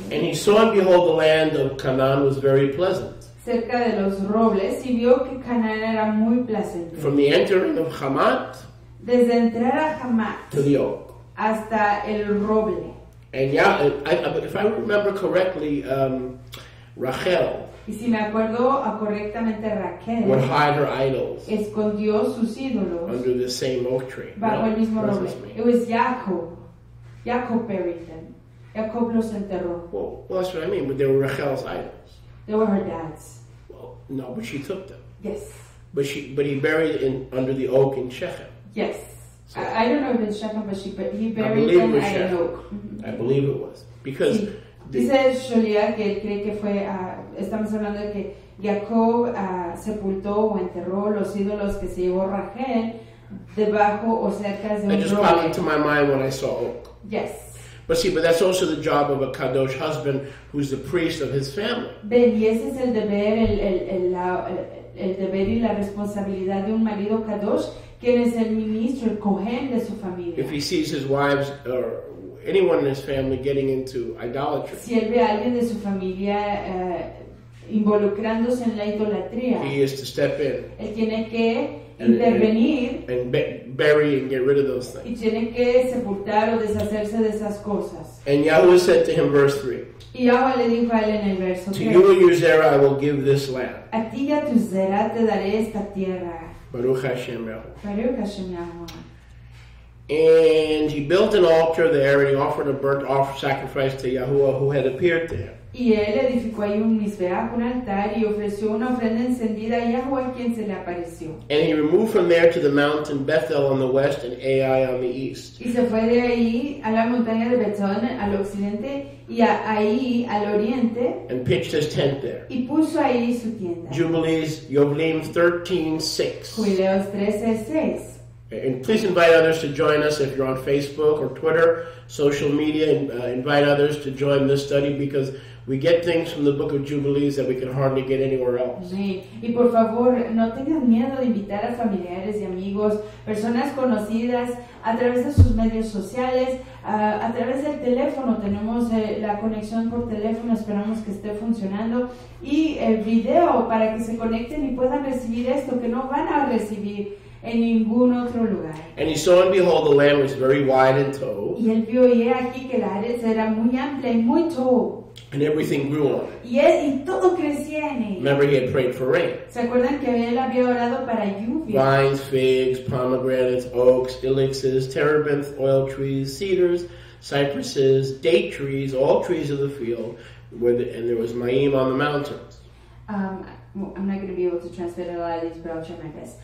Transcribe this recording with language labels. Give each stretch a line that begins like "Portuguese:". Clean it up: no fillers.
English: And he saw and behold the land of Canaan was very pleasant.
Spanish: Cerca de los robles y vio que Canaán era muy placentero.
English: From the entering of Hamat.
Spanish: Desde entrar a Hamat.
English: To the oak.
Spanish: Hasta el roble.
English: And if I remember correctly, Rachel.
Spanish: Y si me acuerdo correctamente, Raquel.
English: Would hide her idols.
Spanish: Escondió sus ídolos.
English: Under the same oak tree.
Spanish: Bajo no, el mismo roble. Me.
English: It was Jacob. Jacob buried them.
Spanish: Jacob los enterró.
English: Well, that's what I mean, but they were Rachel's idols. They were her dad's. Well, no, but she took them. Yes. But he buried it under the oak in Shechem. Yes. So, I don't know if it's Shechem, but he buried it in the oak. I believe it was. Because.
Spanish: Dice Sholia que cree que fue. Estamos hablando de que Jacob sepultó o enterró los ídolos que se llevó Rachel debajo o cerca de un roble.
English: It just popped into my mind when I saw oak. Yes. But see, but that's also the job of a kadosh husband who's the priest of his family.
Spanish: Ben, y ese es el deber, el deber y la responsabilidad de un marido kadosh, quien es el ministro, el cohen de su familia.
English: If he sees his wives or anyone in his family getting into idolatry,
Spanish: si él ve a alguien de su familia involucrándose en la idolatría,
English: he is to step in.
Spanish: Él tiene que intervenir
English: and bury and get rid of those things.
Spanish: Y tiene que sepultar o deshacerse de esas cosas.
English: And Yahweh said to him, verse 3.
Spanish: Y Yahweh le dijo a él en el verso 3.
English: To you and your Zerah I will give this land.
Spanish: A ti y a tu Zerah te daré esta tierra.
Hebrew: Baruch Hashem Yahweh. Baruch Hashem Yahweh.
English: And he built an altar there and he offered a burnt offering sacrifice to Yahuwah who had appeared to him.
Spanish: Y él edificó ahí un misbeach, un altar, y ofreció una ofrenda encendida a Yahuwah, quien se le apareció.
English: And he removed from there to the mountain Bethel on the west and Ai on the east.
Spanish: Y se fue de ahí a la montaña de Bethel al occidente y a Ai al oriente.
English: And pitched his tent there.
Spanish: Y puso ahí su tienda.
English: Jubilees, Yovelim 13:6.
Spanish: Jubileos 13:6.
English: And please invite others to join us if you're on Facebook or Twitter, social media, and invite others to join this study because we get things from the book of Jubilees that we can hardly get anywhere else.
Spanish: Sí. Y por favor, no tengan miedo de invitar a familiares y amigos, personas conocidas, a través de sus medios sociales, a través del teléfono. Tenemos la conexión por teléfono, esperamos que esté funcionando. Y el video para que se conecten y puedan recibir esto que no van a recibir en ningún otro lugar.
English: And he saw and behold the land was very wide and tall.
Spanish: Y él vio y he aquí que la área era muy amplia y muy tall.
English: And everything grew on it.
Spanish: Y todo crecía en él.
English: Remember he had prayed for rain.
Spanish: ¿Se acuerdan que él había orado para lluvia?
English: Vines, figs, pomegranates, oaks, ilexes, terebinth, oil trees, cedars, cypresses, date trees, all trees of the field, and there was maim on the mountains. I'm not going to be able to translate a lot of these, but I'll try my best.